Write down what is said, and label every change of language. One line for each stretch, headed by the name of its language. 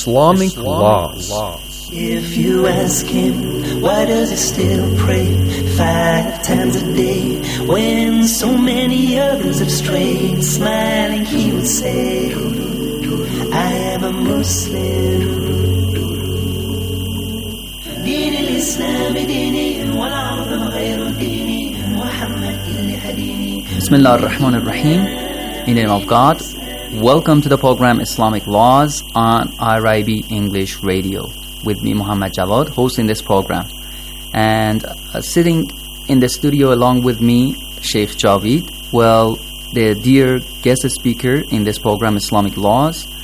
English: Islamic laws. If you ask him why does he still pray five times a day when so many others have strayed, smiling he would say, I am a Muslim.
Arabic: دين الإسلام ديني والعظم غير ديني محمد اللي هديني. بسم الله الرحمن الرحيم.
English: In the name of God, welcome to the program Islamic Laws on IRIB English Radio with me, Muhammad Jalad, hosting this program. And sitting in the studio along with me, Sheikh Javid, well, the dear guest speaker in this program, Islamic Laws.